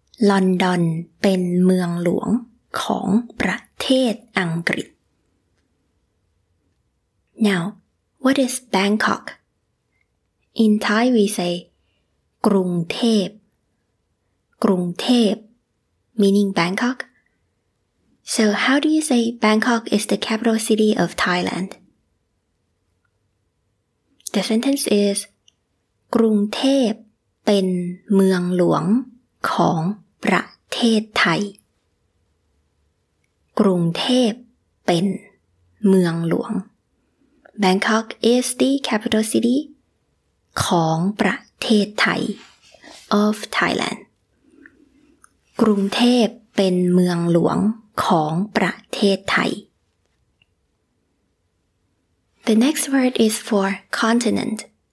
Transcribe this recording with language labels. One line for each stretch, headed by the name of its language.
Thai: London เป็นเมืองหลวงของประเทศอังกฤษ.
English: Now, what is Bangkok? In Thai, we say กรุงเทพ, กรุงเทพ, meaning Bangkok. So how do you say Bangkok is the capital city of Thailand? The sentence is
Thai: กรุงเทพเป็นเมืองหลวงของประเทศไทย กรุงเทพเป็นเมืองหลวง
English: Bangkok is the capital city
Thai: ของประเทศไทย
English: of Thailand
Thai: กรุงเทพเป็นเมืองหลวงของประเทศไทย
English: The next word is for continent.